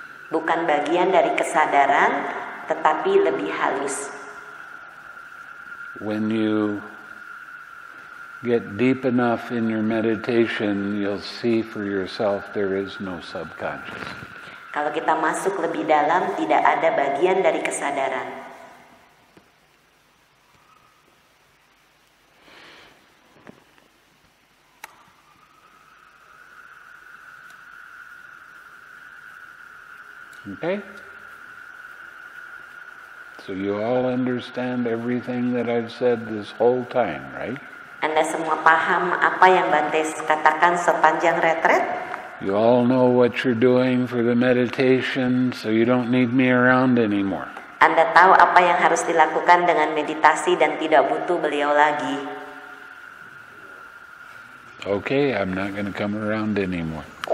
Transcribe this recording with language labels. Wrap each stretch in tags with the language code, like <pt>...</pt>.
<id>Bukan bagian dari kesadaran, tetapi lebih halus.</id> <en>When you get deep enough in your meditation, you'll see for yourself there is no subconscious.</en> <id>Kalau kita masuk lebih dalam, tidak ada bagian dari kesadaran.</id> <en>Okay. So you all understand everything that I've said this whole time, right?</en> <id>Anda semua paham apa yang Bhante katakan sepanjang retret?</id> <en>You all know what you're doing for the meditation, so you don't need me around anymore.</en> <id>Anda tahu apa yang harus dilakukan dengan meditasi dan tidak butuh beliau lagi.</id> <en>Okay, I'm not going to come around anymore.</en>